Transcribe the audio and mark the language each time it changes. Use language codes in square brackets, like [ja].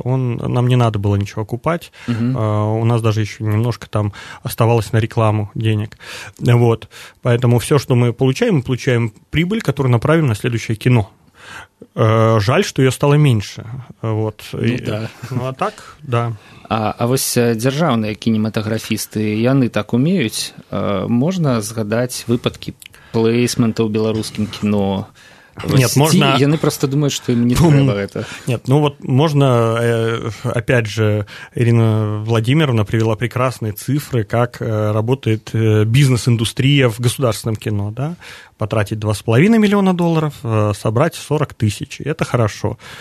[ru] Нам не надо было ничего купать. Угу. У нас даже еще немножко там оставалось на рекламу денег. Вот. Поэтому все, что мы получаем прибыль, которую направим на следующее кино. Жаль, что ее стало меньше. Вот. Ну, да. Ну, а так, да. [be] А вось дзяржаўныя кінематаграфісты, яны так умеюць, можна згадаць выпадкі плейсмента ў беларускім кіно? [ru] Нет, можно... [be] Яны [ru] просто думают, что им не [be] трэба [ru] это. Нет, ну вот можно, опять же, Ирина Владимировна привела прекрасные цифры, как работает бизнес-индустрия в государственном кино, да? Потратить 2,5 миллиона долларов, собрать 40 тысяч, это хорошо.